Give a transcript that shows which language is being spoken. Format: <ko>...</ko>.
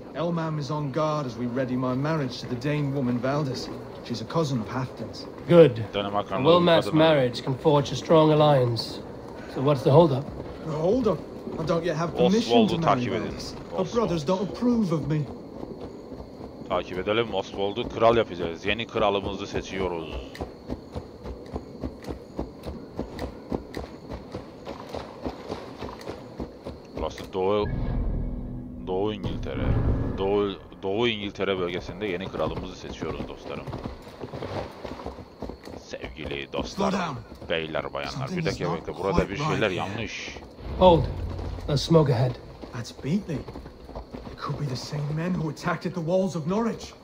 <en>Elmam is on guard as we ready my marriage to the Dane woman Valdis. She's a cousin of Halfdan's. Good. A well-matched marriage can forge a strong alliance. So what's the holdup? The holdup? I don't yet have permission to marry Valdis. Her brothers don't approve of me.</en> <tr>Takip edelim. Oswald'u kral yapacağız. Yeni kralımızı seçiyoruz. Burası doğu... Doğu İngiltere. Doğu İngiltere bölgesinde yeni kralımızı seçiyoruz dostlarım. Sevgili dostlar, beyler, bayanlar, bir dakika bekle. Burada bir şeyler yanlış.</tr> <en>Hold. The smoke ahead. That's Beatley. It could be the same men who attacked at the walls of Norwich.</en>